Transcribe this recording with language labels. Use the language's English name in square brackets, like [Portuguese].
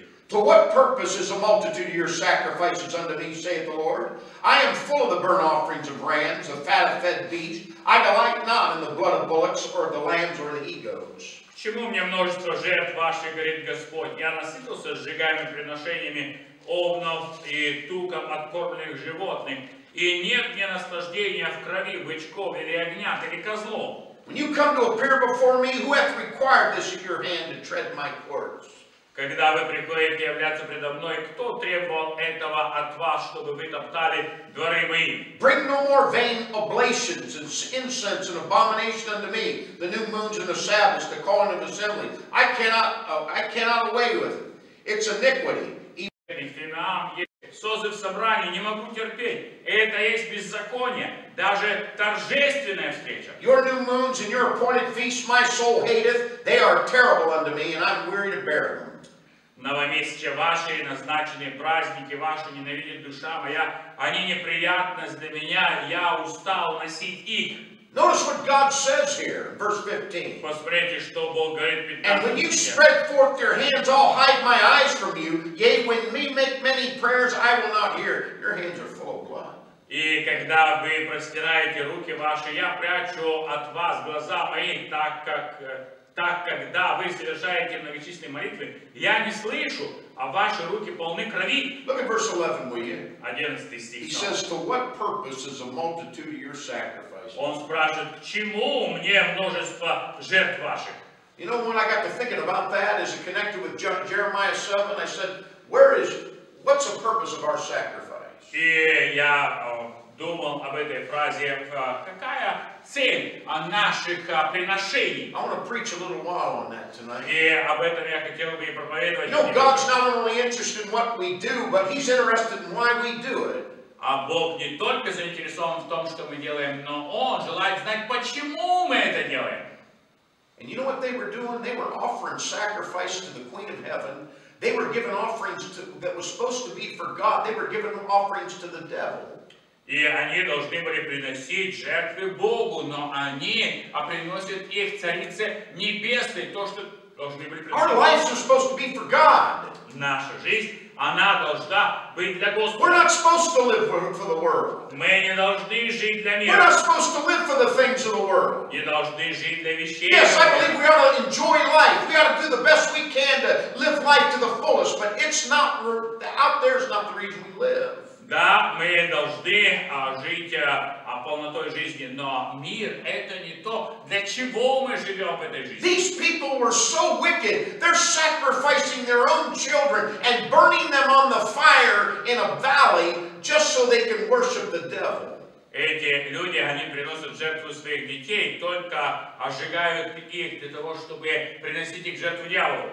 [English] To what purpose is a multitude of your sacrifices unto me, saith the Lord? I am full of the burnt offerings of rams, of fat of fed beasts. I delight not in the blood of bullocks, or the lambs, or the eagles. [Russian] Чему мне множество жертв ваших, говорит Господь? Я насытился сжигаемыми приношениями овнов и туком откормленных животных. И нет мне наслаждения в крови бычков или огнят или козлов. [English] When you come to appear before me, who hath required this of your hand to tread my courts? [Russian] Когда вы приходите являться предо мной, кто требовал этого от вас, чтобы вы топтали дворы мои? [English] Bring no more vain oblations and incense and abomination unto me, the new moons and the Sabbaths, the calling of assembly. I cannot away with it. It's iniquity. [Russian] Созыв собраний не могу терпеть. Это есть беззаконие, даже торжественная встреча. [English] Your new moons and your appointed feasts my soul hateth. They are terrible unto me, and I'm weary to bear them. [Russian] Новомесячие ваши и назначенные праздники ваши ненавидит душа моя. Они неприятность для меня, я устал носить их. [English] Notice what God says here, verse 15. [Russian] Посмотрите, что Бог говорит в 15. [English] And when you spread forth your hands, I'll hide my eyes from you. Yea, when me make many prayers, I will not hear. Your hands are full of blood. [Russian] И когда вы простираете руки ваши, я прячу от вас глаза мои, так когда вы совершаете многочисленные молитвы, я не слышу, а ваши руки полны крови. [English] Look at verse 11, will you? [Russian] 11 стих. [English] He says, to what purpose is a multitude of your sacrifices? [Russian] Он спрашивает, к чему мне множество жертв ваших? [English] You know, when I got to thinking about that, as it connected with Jeremiah 7, I said, what's the purpose of our sacrifice? [Russian] И я думал об этой фразе, какая цель наших приношений. [English] I want to preach a little while on that tonight. [Russian] И об этом я хотел бы и проповедовать. [English] No, God's not only interested in what we do, but He's interested in why we do it. [Russian] А Бог не только заинтересован в том, что мы делаем, но Он желает знать, почему мы это делаем. [English] And you know what they were doing? They were offering sacrifice to the Queen of Heaven. They were giving offerings that was supposed to be for God. They were giving offerings to the devil. [Russian] И они должны были приносить жертвы Богу, но они приносят их Царице Небесной, то, что должны были приносить. [English] Our lives are supposed to be for God. [Russian] Наша жизнь, она должна быть для Господа. [English] We're not supposed to live for the world. [Russian] Мы не должны жить для мира. [English] We're not supposed to live for the things of the world. [Russian] Не должны жить для вещей. [English] Yes, I believe we ought to enjoy life. We ought to do the best we can to live life to the fullest, but it's not, out there is not the reason we live. [Russian] Да, мы должны жить полнотой жизни, но мир — это не то, для чего мы живем в этой жизни. [English] These people were so wicked, they're sacrificing their own children and burning them on the fire in a valley just so they can worship the devil. [Russian] Эти люди, они приносят жертву своих детей, только сжигают их для того, чтобы приносить их жертву дьяволу.